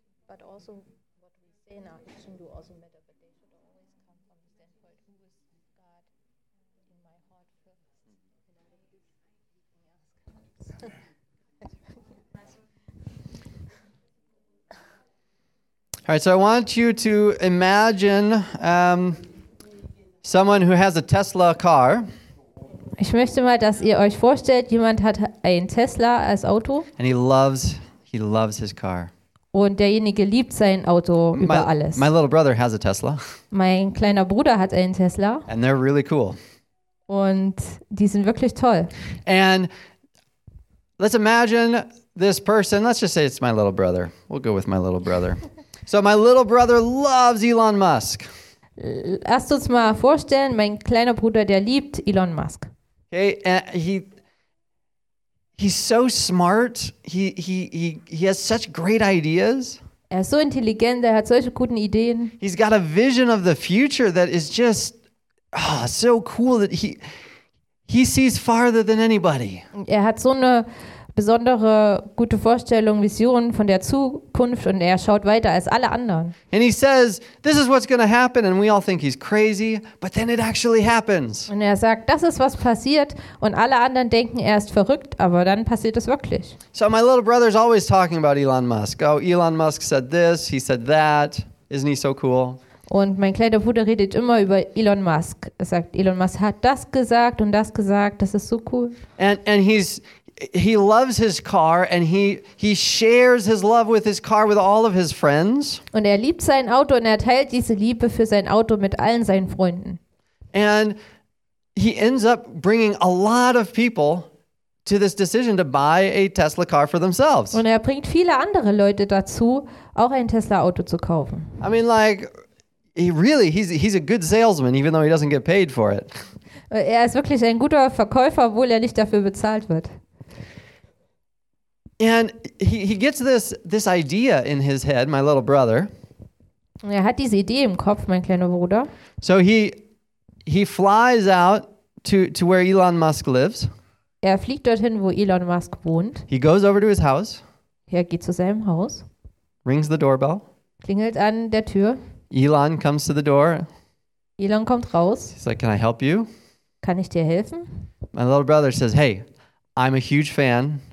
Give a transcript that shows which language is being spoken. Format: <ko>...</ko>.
<en>But also, what we say in our action do also matter, but they should always come from the standpoint who is God in my heart first. All right, so I want you to imagine. Someone who has a Tesla car.</en> <de>Ich möchte mal, dass ihr euch vorstellt, jemand hat ein Tesla als Auto.</de> <en>And he loves his car.</en> <de>Und derjenige liebt sein Auto über alles.</de> <en>My little brother has a Tesla.</en> <de>Mein kleiner Bruder hat einen Tesla.</de> <en>And they're really cool.</en> <de>Und die sind wirklich toll.</de> <en>And let's imagine this person, let's just say it's my little brother. We'll go with my little brother. So my little brother loves Elon Musk.</en> <de>Lasst uns mal vorstellen, mein kleiner Bruder, der liebt Elon Musk.</de> <en>Okay, he's so smart. He has such great ideas.</en> <de>Er ist so intelligent, er hat solche guten Ideen.</de> <en>He's got a vision of the future that is just so cool that he sees farther than anybody.</en> <de>Er hat so eine besondere gute Vorstellung, Vision von der Zukunft und er schaut weiter als alle anderen.</de> <en>And he says, this is what's going to happen and we all think he's crazy, but then it actually happens.</en> <de>Und er sagt, das ist was passiert und alle anderen denken, er ist verrückt, aber dann passiert es wirklich.</de> <en>So my little brother is always talking about Elon Musk. Oh, Elon Musk said this, he said that. Isn't he so cool?</en> <de>Und mein kleiner Bruder redet immer über Elon Musk. Er sagt, Elon Musk hat das gesagt und das gesagt. Das ist so cool.</de> <en>And he loves his car and he shares his love with his car with all of his friends.</en> <de>Und er liebt sein Auto und er teilt diese Liebe für sein Auto mit allen seinen Freunden.</de> <en>And he ends up bringing a lot of people to this decision to buy a Tesla car for themselves.</en> <de>Und er bringt viele andere Leute dazu, auch ein Tesla Auto zu kaufen.</de> <en>I mean, like, he's a good salesman, even though he doesn't get paid for it.</en> <de>Er ist wirklich ein guter Verkäufer, obwohl er nicht dafür bezahlt wird.</de> <en>And he gets this idea in his head, my little brother.</en> <de>Er hat diese Idee im Kopf, mein kleiner Bruder.</de> <en>So he flies out to where Elon Musk lives.</en> <de>Er fliegt dorthin, wo Elon Musk wohnt.</de> <en>He goes over to his house.</en> <de>Er geht zu seinem Haus.</de> <en>Rings the doorbell.</en> <de>Klingelt an der Tür.</de> <en>Elon comes to the door.</en> <de>Elon kommt raus.</de> <en>He's like, "Can I help you?"</en> <de>Kann ich dir helfen?</de> <en>My little brother says, "Hey, I'm a huge fan.</en>